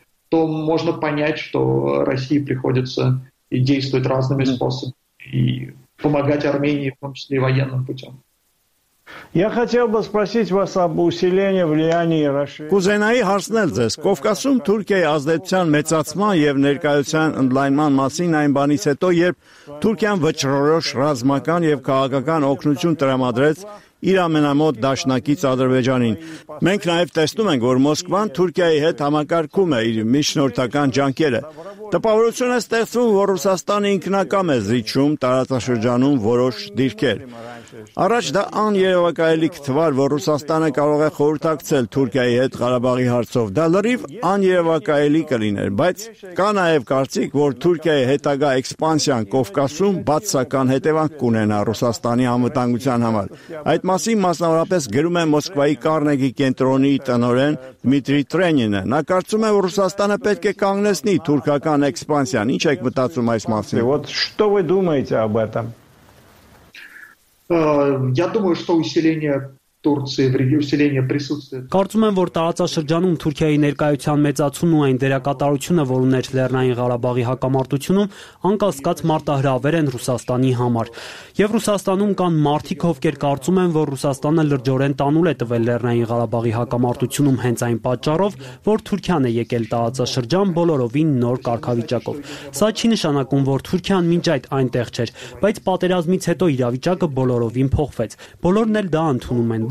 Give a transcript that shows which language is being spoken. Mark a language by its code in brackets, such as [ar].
[ru] То можно понять, что России приходится действовать разными способами и помогать Армении, в том числе и военным путем. Я хотел бы спросить вас об усилении влияния России. [hy] Кузенаи հարցնել ձեզ, Կովկասում Թուրքիայի ազդեցության մեծացման եւ ներկայության ընդլայնման մասին այն բանից հետո, երբ Թուրքիան վճռորոշ ռազմական եւ քաղաքական օգնություն տրամադրեց իր ամենամոտ դաշնակից Ադրբեջանին։ Մենք նաև տեսնում ենք, որ Մոսկվան Թուրքիայի հետ համակարգում է իր միջնորդական ջանքերը։ Տպավորություն է ստեղծվում, որ Ռուսաստանը ինքնակամ է զիջում տարածաշրջանում որոշ դիրքեր։ Առաջ դա աներևակայելի կթվար, որ Ռուսաստանը կարող է խորհրդակցել Թուրքիայի հետ Ղարաբաղի հարցով։ Դա լրիվ աներևակայելի կլիներ, բայց կա նաև կարծիք, որ Թուրքիայի հետագա էքսպանսիան Կովկասում բացական հետևանք կունենա Ռուսաստանի անվտանգության համար։ Այդ մասին մասնավորապես գրում է Մոսկվայի Կարնեգի կենտրոնի տնօրեն Դմիտրի Տրենինը։ Նա կարծում է, որ Ռուսաստանը պետք է կանգնեցնի թուրքական էքսպանսիան։ Ինչ եք մտածում այս մասին։ [ru] Вот что вы думаете об этом? Я думаю, что усиление Турции в регионе, усиление присутствия. [hy] Կարծում եմ, որ տարածաշրջանում Թուրքիայի ներկայության մեծացումն ու այն դերակատարությունը, որ ուներ Լեռնային Ղարաբաղի հակամարտությունում, անկասկած մարտահրավեր են Ռուսաստանի համար։ Եվ Ռուսաստանում կան մարդիկ, ովքեր կարծում են, որ Ռուսաստանը լրջորեն տանուլ է տվել Լեռնային Ղարաբաղի հակամարտությունում հենց այն պատճառով, որ Թուրքիան է եկել տարածաշրջան բոլորովին նոր կարգավիճակով։ Սա չի նշանակում, որ Թուրքիան մինչ այդ այնտեղ չէր, բայց պատերազմից հետո իրավիճակը բոլորովին փոխվեց։ Բոլորն էլ դա ընդունում են,